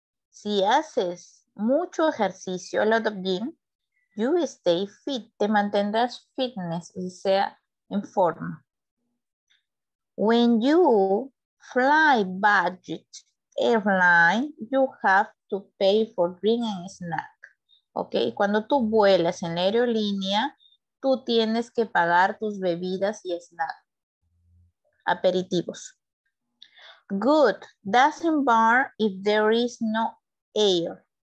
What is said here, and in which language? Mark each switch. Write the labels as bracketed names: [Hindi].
[Spanish] Si haces mucho ejercicio, [English] a lot of gym, you stay fit, [Spanish] te mantendrás fitness, o sea, en forma. [English] When you fly budget airline, you have to pay for drink and snack. [Spanish] Okay, cuando tú vuelas en la aerolínea, tú tienes que pagar tus bebidas y snack, aperitivos. [English] Good, doesn't burn if there is no air.